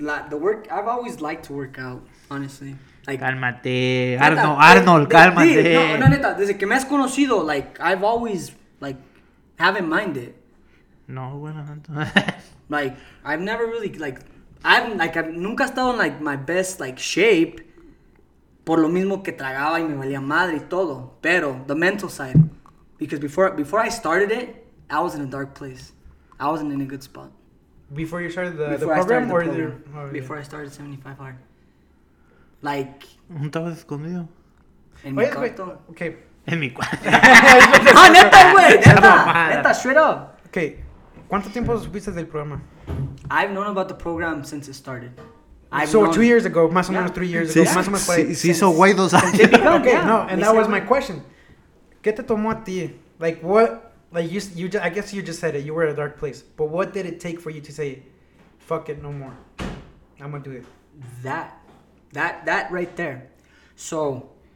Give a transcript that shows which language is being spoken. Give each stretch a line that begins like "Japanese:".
English: The work, I've always liked to work out, honestly. Like,
Spanish: cálmate. Neta, Arnold, cálmate. Sí, no, neta, desde que me has conocido, like,
English: I've always... Like, haven't minded.
Spanish: No, bueno, tanto.
English: Like, I've never really, like... I've nunca estado in, like, my best, like, shape.
Spanish: Por lo mismo que tragaba y me valía madre y todo.
English: Pero, the mental side. Because before I started it, I was in a dark place. I wasn't in a good spot. Before you started the program? Oh, yeah. Before I started 75 Hard. Like...
Spanish: ¿Estabas escondido? En mi cuarto. Okay. En mi cuarto. ¡Ah, neta, güey! ¡Neta! ¡Neta,
English: straight up!
Spanish: Ok, ¿cuánto tiempo supiste del programa?
English: I've known about the program since it started. Two years ago,
Spanish: más o menos
English: 3 years ago.
Spanish: Más o menos 4 years. Se hizo güey 2 años.
English: Okay, yeah. No, and that was my question.
Spanish: ¿Qué te tomó a ti?
English: Like, what... Like, I guess you just said it. You were in a dark place. But what did it take for you to say, fuck it, no more. I'm gonna do it. That right there. So...